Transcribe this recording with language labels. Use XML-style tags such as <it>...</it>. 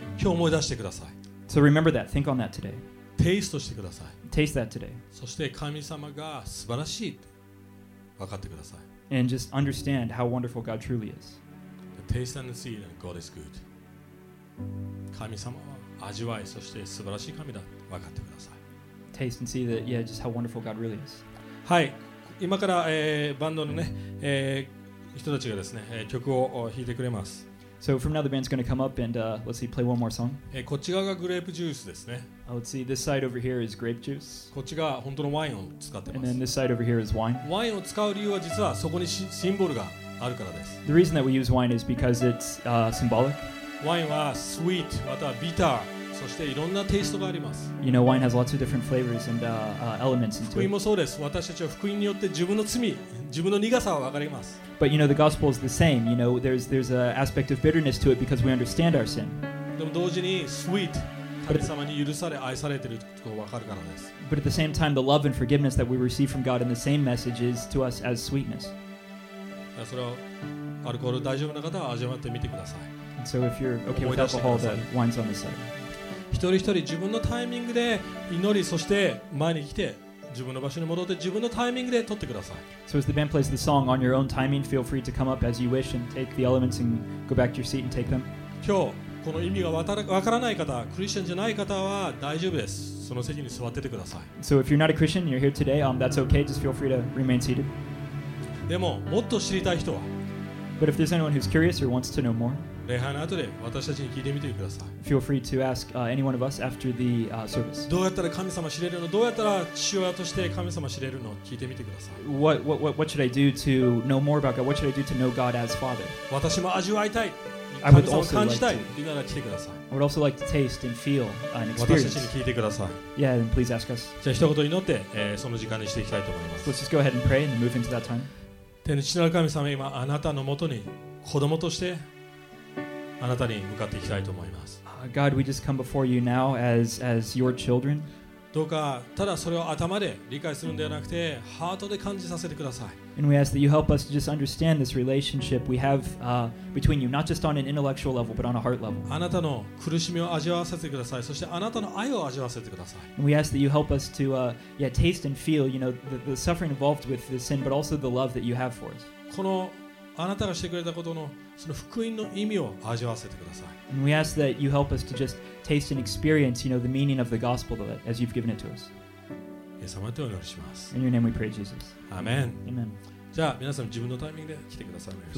<ja>今日思い出してください。</ja> <en>So remember that. Think on that today.</en> <ja>Taste してください。</ja> <en>Taste that today.</en> <ja>そして神様が素晴らしいって分かってください。</ja> <en>And just understand how wonderful God truly is. Taste and see that God is good.</en> <ja>神様は味わい、そして素晴らしい神だ。分かってください。</ja> <en>Taste and see that, yeah, just how wonderful God really is.</en> <ja>はい。今から、バンドのね、人たちがですね、曲を弾いてくれます。</ja> <en>So from now the band's going to come up and let's see, play one more song.</en> <ja>こっち側がグレープジュースですね。</ja> <en>Let's see, this side over here is grape juice.</en> <ja>こっち側本当のワインを使ってます。</ja> <en>And then this side over here is wine.</en> <ja>ワインを使う理由は実はそこにシンボルがあるからです。</ja> <en>The reason that we use wine is because it's symbolic.</en> <ja>ワインは sweet、またはビター、そしていろんなテイストがあります。</ja> <en>You know, wine has lots of different flavors and elements into it.</en> <ja>福音もそうです。私たちは福音によって自分の罪、自分の苦さは分かります。</ja> <en>But you know the gospel is the same. You know there's an aspect of bitterness to it because we understand our sin.</en> <ja>でも同時に sweet 神様に許され愛されているってことが分かるからです。</ja> <en>But at the same time, the love and forgiveness that we receive from God in the same message is to us as sweetness.</en> <ja>それをアルコール大丈夫な方は味わってみてください。</ja> <en>And so if you're okay with alcohol, the wine's on the side.</en> <ja>一人一人自分のタイミングで祈りそして前に来て自分の場所に戻って自分のタイミングで取ってください。</ja> <en>So as the band plays the song, on your own timing, feel free to come up as you wish and take the elements and go back to your seat and take them.</en> <ja>今日この意味がわからない方、クリスチャンじゃない方は大丈夫です。その席に座っててください。</ja> <en>So if you're not a Christian, you're here today, that's okay. Just feel free to remain seated.</en> <ja>でももっと知りたい人は、</ja> <en>But if there's anyone who's curious or wants to know more,</en> <ja>礼拝の後で私たちに聞いてみてください。</ja> <en>Feel free to ask any one of us after the service.</en> <ja>どうやったら神様知れるの？どうやったら父親として神様知れるの？聞いてみてください。</ja> <en>What should I do to know more about God? What should I do to know God as Father?</en> <ja>私も味わいたい。</ja> <en>I would also like to. I would also like to taste and feel an experience. Yeah, then please ask us.</en> <ja>じゃあ一言祈って、その時間にしていきたいと思います。</ja> <en>Let's just go ahead and pray and move into that time.</en> <ja>天父なる神様、今あなたの元に子供としてあなたに向かっていきたいと思います。</ja> <en>God, we just come before you now as your children.</en> <ja>どうかただそれを頭で理解するんではなくて、ハートで感じさせてください。</ja> <en>And we ask that you help us to just understand this relationship we have between you, not just on an intellectual level, but on a heart level.</en> <ja>あなたの苦しみを味わわせてください。そしてあなたの愛を味わわせてください。</ja> <en>And we ask that you help us to taste and feel, you know, the suffering involved with the sin, but also the love that you have for us.</en> <ja>このあなたがしてくれたことのその福音の意味を味わわせてください。</ja> <en>And we ask that you help us to just taste and experience, you know, the meaning of the gospel as you've given it to us.</en> <ja>イエス様とお祈りします。</ja> <en>In your name we pray, Jesus. Amen. Amen.</en> <ja>じゃあ皆さん自分のタイミングで来てください。</ja>